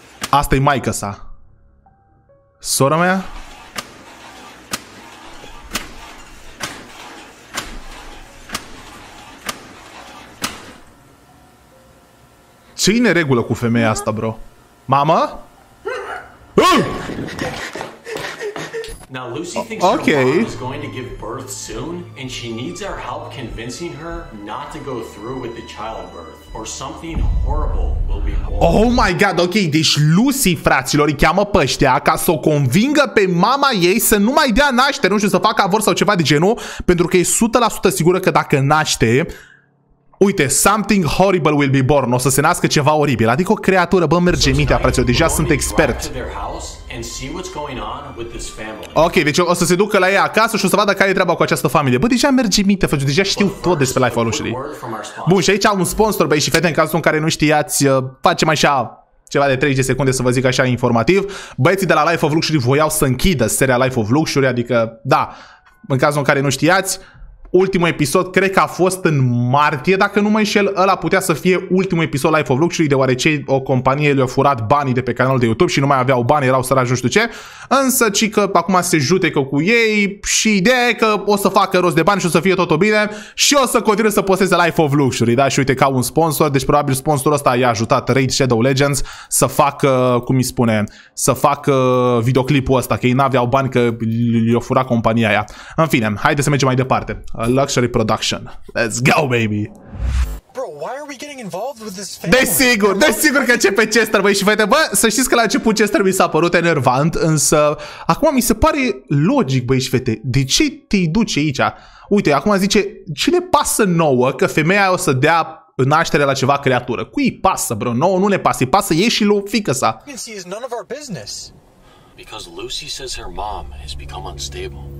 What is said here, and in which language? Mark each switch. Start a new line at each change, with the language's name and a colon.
Romanian: Asta e maica sa. Sora mea? Ce-i neregulă cu femeia asta, bro? Mama?
English: Now Lucy thinks her mom is going to give birth soon and she needs our help convincing her not to go through with the childbirth or something horrible will be born.
Romanian: Oh my god, ok, deci Lucy, fraților, îi cheamă pe ăștia ca să o convingă pe mama ei să nu mai dea naștere, nu știu, să facă avort sau ceva de genul, pentru că e 100% sigură că dacă naște, uite,
English: something horrible will be born,
Romanian: o să se nască ceva oribil, adică o creatură, bă, merge mintea, fraților, deja sunt expert.
English: And see what's going on with this family.
Romanian: Ok, deci o să se ducă la ea acasă și o să vadă care e treaba cu această familie. Bă, deja merge minte, frate, deja știu tot despre Life of Luxury. Bun, și aici am un sponsor, băi și fete, în cazul în care nu știați, facem așa ceva de 30 de secunde să vă zic așa informativ. Băieții de la Life of Luxury voiau să închidă seria Life of Luxury, adică, da, în cazul în care nu știați, ultimul episod cred că a fost în martie, dacă nu mă înșel, ăla putea să fie ultimul episod Life of Luxury, deoarece o companie le-a furat banii de pe canalul de YouTube și nu mai aveau bani, erau săraci, nu știu ce. Însă, ci că acum se judecă cu ei și ideea e că o să facă rost de bani și o să fie totul bine și o să continue să posteze Life of Luxury, da? Și uite, ca un sponsor, deci probabil sponsorul ăsta i-a ajutat Raid Shadow Legends să facă, cum îi spune, să facă videoclipul ăsta, că ei n-aveau bani, că le-a furat compania aia. În fine, haide să mergem mai departe.
English: A luxury production. Let's go, baby. Bro, why are we getting involved with this family?
Romanian: Desigur, desigur că începe Chester, băi, și fete, bă, să știți că la început Chester mi s-a părut enervant, însă acum mi se pare logic, băi, și fete, de ce te duci aici? Uite, acum zice, cine pasă nouă că femeia o să dea naștere la ceva creatură? Cui pasă, bro? Nouă nu ne pasă, îi pasă ei și lui fiică sa.
English: Because Lucy says her mom has become unstable.